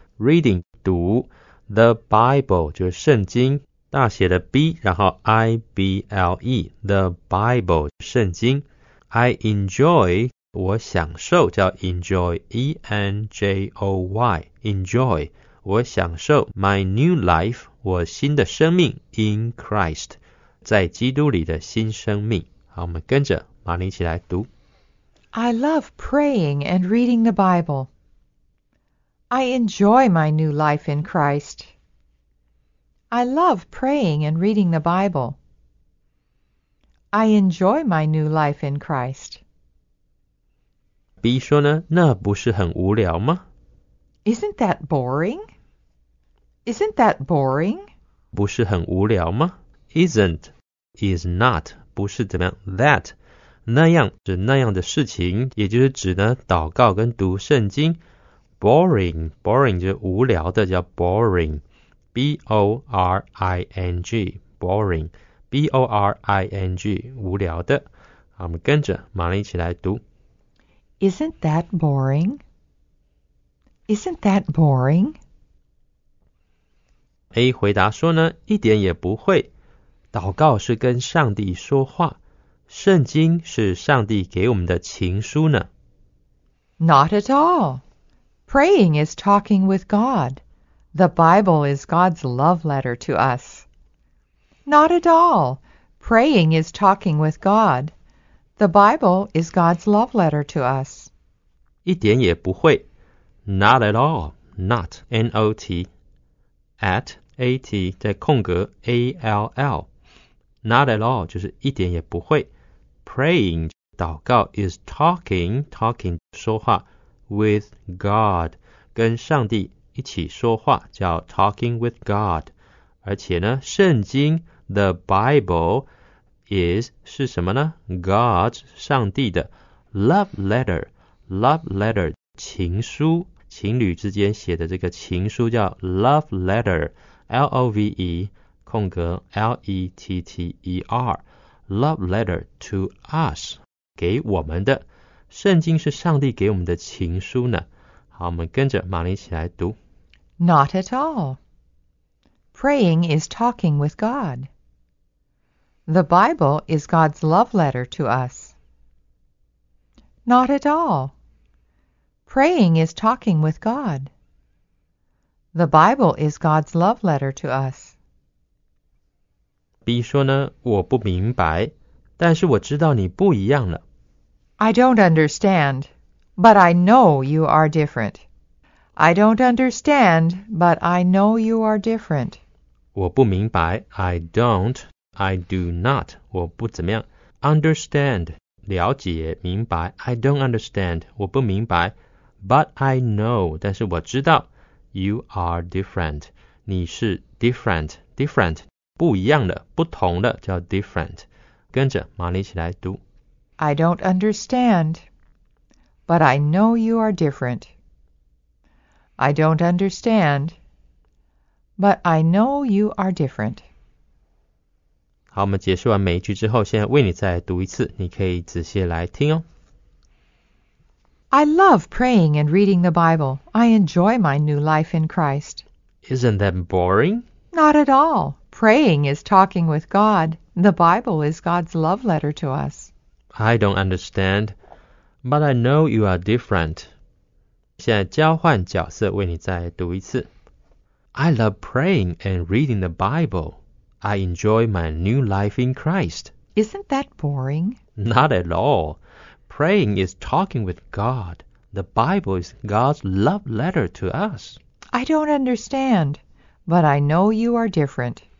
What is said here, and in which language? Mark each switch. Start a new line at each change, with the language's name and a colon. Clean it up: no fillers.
Chinese: Reading, 读 the Bible, 就是圣经大写的 B, 然后 I-B-L-E, the Bible, 圣经。 I enjoy, 我享受叫 enjoy, E-N-J-O-Y, enjoy, 我享受
English: my new life,
Chinese: 我新的生命 in Christ, 在基督里的新生命。好，我们跟着。
English: I love praying and reading the Bible. I enjoy my new life in Christ. I love praying and reading the Bible. I enjoy my new life in Christ.
Chinese: B 说呢，那不是很无聊吗？
English: Isn't that boring? Isn't that boring?
Chinese: 不是很无聊吗？
English: Isn't, is not,
Chinese: 不是怎么样， that. 那样是那样的事情，也就是指呢祷告跟读圣经。 Boring, boring 就是无聊的，叫 boring, b o r i n g, boring, b o r i n g, 无聊的。好，我们跟着玛丽一起来读。
English: Isn't that boring? Isn't that boring?
Chinese: A 回答说呢，一点也不会。祷告是跟上帝说话。圣经是上帝给我们的情书呢。
English: Not at all. Praying is talking with God. The Bible is God's love letter to us. Not at all. Praying is talking with God. The Bible is God's love letter to us.
Chinese: 一点也不会。
English: Not at all. Not, N-O-T. At, A-T, 在空格 A-L-L. Not at all
Chinese: 就是一点也不会。 Praying 祷告 is talking 说话 with God 跟上帝一起说话叫
English: talking with God。
Chinese: 而且呢，圣经 the Bible is 是什么呢 ？God 上帝的 love letter 情书，情侣之间写的这个情书叫 love letter L O V E 空格 L E T T E R
English: love letter to us
Chinese: 给我们的，圣经是上帝给我们的情书呢。好，我们跟着玛丽一起来读。
English: Not at all. Praying is talking with God. The Bible is God's love letter to us. Not at all. Praying is talking with God. The Bible is God's love letter to us.
Chinese: B 说呢，我不明白，但是我知道你不一样了。
English: I don't understand, but I know you are different. I don't understand, but I know you are different.
Chinese: 我不明白 I do not 我不怎么样 understand 了解明白
English: I don't understand
Chinese: 我不明白
English: but I know
Chinese: 但是我知道
English: you are different
Chinese: 你是 different 不一样的不同的叫 different 跟着玛丽一起来读
English: I don't understand but I know you are different I don't understandBut I know you are different.
Chinese: 好，我们结束完每一句之后，现在为你再读一次，你可以仔细来听哦。
English: I love praying and reading the Bible. I enjoy my new life in Christ. Isn't that boring? Not at all. Praying is talking with God. The Bible is God's love letter to us. I don't understand, but I know you are different.
Chinese: 现在交换角色，为你再读一次。
English: I love praying and reading the Bible. I enjoy my new life in Christ. Isn't that boring? Not at all. Praying is talking with God. The Bible is God's love letter to us. I don't understand, but I know you are different.